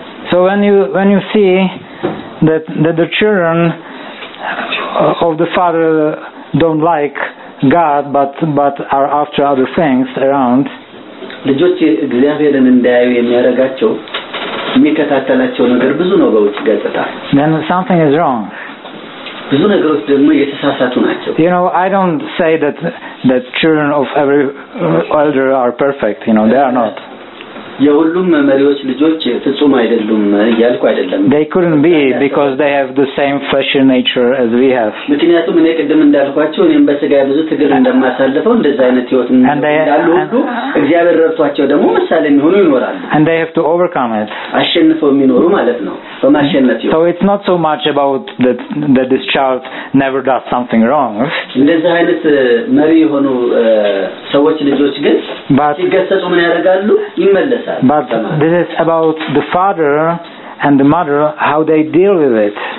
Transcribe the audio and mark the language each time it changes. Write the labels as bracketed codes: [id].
[en] So when you see that the children of the Father don't like God but are after other things around, [am] ልጆች እግዚአብሔርን እንዳያዩ የሚያረጋቸው የሚከታተላቸው ነገር ብዙ ነው በውጭ ገጽታ [en] then something is wrong [am] ብዙ ነገሮች ደግሞ የተሳሳቱ ናቸው [en] you know I don't say that children of every elder are perfect you know they are not [am] የሁሉም መመሪዎች ልጆች ፍጹም አይደሉም ያልኩ አይደለም [en] they couldn't be because they have the same flesh and nature as we have [am] ምክንያቱም እኔ ቀደም እንዳልኳቸው እኔም በስጋ ብዙ ትግል እንደማሳለፈው እንደዛ አይነት ህይወት እንዳሉ ሁሉ እግዚአብሔር ረድቷቸው ደግሞ መሳለን ይሆኑ ይኖራሉ [en] and they have to overcome it [am] አሸንፈው የሚኖሩ ማለት ነው በማሸነፍ [en] ይሆኑ so it's not so much about that this child never does something wrong [am] እንደዛ አይነት መሪ የሆኑ ሰዎች ልጆች ግን ሲገሰጹ ምን ያደርጋሉ ይመለሳሉ [en] But this is about the father and the mother, how they deal with it.